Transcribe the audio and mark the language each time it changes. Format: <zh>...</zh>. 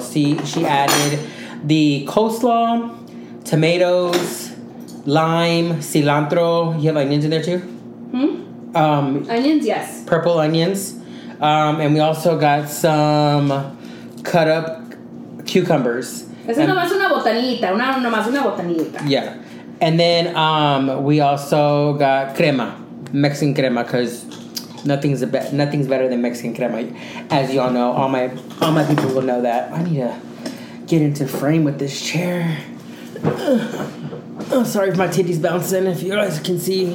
<en>See, she added the coleslaw, tomatoes, lime, cilantro. You have onions in there too? Onions, yes. Purple onions. And we also got some cut up cucumbers.</en> <es>Esa es nomás una botanita, nomás una botanita.</es> <en>Yeah. And then we also got crema, Mexican crema, because nothing's better than Mexican crema. As y'all know, all my people will know that. I need to get into frame with this chair. Oh, sorry if my titty's bouncing, if you guys can see.</en>